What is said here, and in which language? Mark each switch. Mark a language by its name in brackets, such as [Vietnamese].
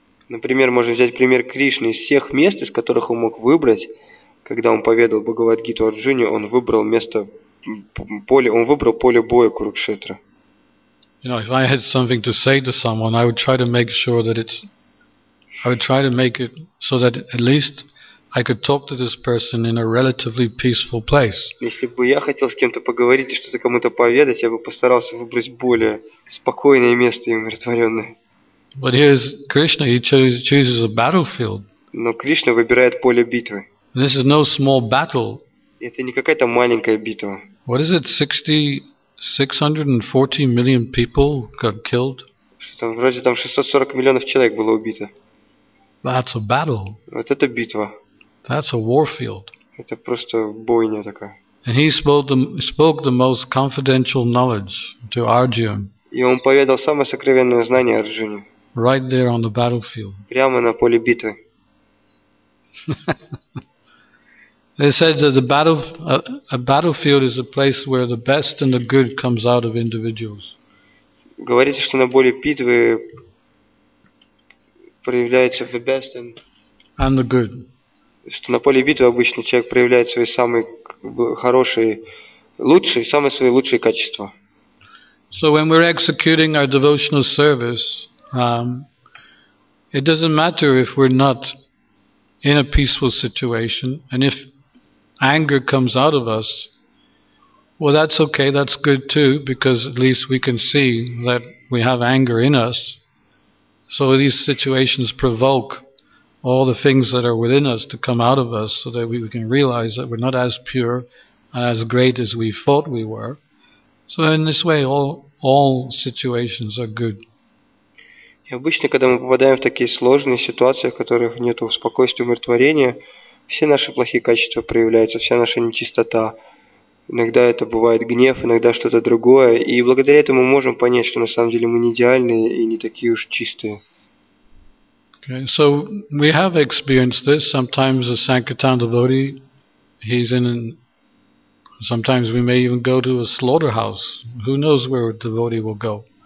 [Russian] Например, можно взять пример Кришны. Из всех мест, из которых он мог выбрать, когда он поведал Бхагавад Гиту Арджуне, он выбрал место поле, он выбрал поле боя Курукшетра. [English] You know, if I had something to say to someone, I would try to make sure that it's I would try to make it so that at least I could talk to this person in a relatively peaceful place. [Russian] Если бы я хотел с кем-то поговорить и что-то кому-то поведать, я бы постарался выбрать более спокойное место и умиротворённое. [English] But here is Krishna, he chooses a battlefield. [Russian] Но Кришна выбирает поле битвы. [English] And this is no small battle. [Russian] Это не какая-то маленькая битва. [English] What is it, 640 million people got killed? [Russian] Там вроде там 640 миллионов человек было убито. [English] That's a battle. [Russian] Вот это битва. [English] That's a warfield. [Russian] Это просто бойня такая. [English] And he spoke the most confidential knowledge to Arjuna. [Russian] И он поведал самое сокровенное знание Арджуне. [English] Right there on the battlefield. [Russian] Прямо на поле битвы. [English] They said that a battlefield is a place where the best and the good comes out of individuals. [Russian] Говорите, что на поле битвы проявляется [English] the best and the good. [Russian] Что на поле битвы обычно человек проявляет свои самые хорошие, лучшие, самые свои лучшие качества. [English] So when we're executing our devotional service, it doesn't matter if we're not in a peaceful situation, and if anger comes out of us, well, that's okay, that's good too, because at least we can see that we have anger in us. So these situations provoke all the things that are within us to come out of us so that we can realize that we're not as pure and as great as we thought we were. So in this way, all situations are good. [Russian] И обычно, когда мы попадаем в такие сложные ситуации, в которых нет спокойствия, умиротворения, все наши плохие качества проявляются, вся наша нечистота. Иногда это бывает гнев, иногда что-то другое. И благодаря этому мы можем понять, что на самом деле мы не идеальные и не такие уж чистые. [English] Okay, so we have experienced this. Sometimes a Sankirtan devotee, sometimes we may even go to a slaughterhouse. Who knows where a devotee will go?